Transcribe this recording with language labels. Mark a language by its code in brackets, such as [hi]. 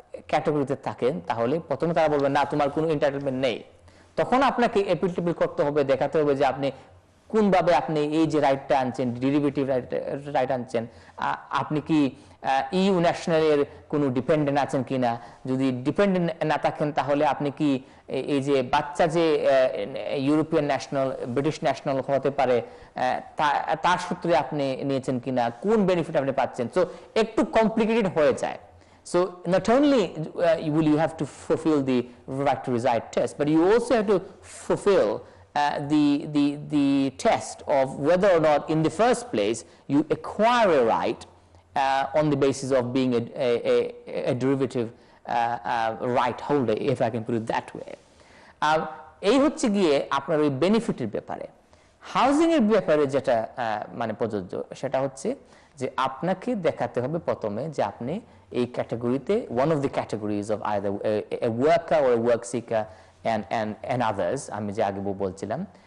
[bn] ক্যাটাগরিতে থাকেন তাহলে প্রথমে তারা বলবেন না তোমার কোনো এন্টাইটলমেন্ট নেই তখন আপনাকে অ্যাপিলেবল করতে হবে দেখাতে হবে যে আপনি কোনভাবে আপনি এই যে রাইটটা আনছেন ডেরিভেটিভ রাইট আনছেন আপনি কি ইউ ন্যাশনালের কোনো ডিপেন্ডেন্ট আছেন কি না যদি ডিপেন্ডেন্ট না থাকেন তাহলে আপনি কি এই যে বাচ্চা যে ইউরোপিয়ান ন্যাশনাল ব্রিটিশ ন্যাশনাল হতে পারে তার সূত্রে আপনি নিয়েছেন কি না কোন বেনিফিট আপনি পাচ্ছেন সো একটু কমপ্লিকেটেড হয়ে যায় [en] So not only will you have to fulfill the right to reside test, but you also have to fulfill the test of whether or not in the first place you acquire a right on the basis of being a derivative right holder, if I can put it that way. [bn] এই হচ্ছে গিয়ে আপনার ওই বেনিফিটের ব্যাপারে housing এর ব্যাপারে যেটা মানে প্রযোজ্য সেটা হচ্ছে যে আপনাকে দেখাতে হবে প্রথমে যে আপনি এই ক্যাটাগরিতে [en] one of the categories of either a worker or a work seeker and and and others [bn] আমি যে আগে বলছিলাম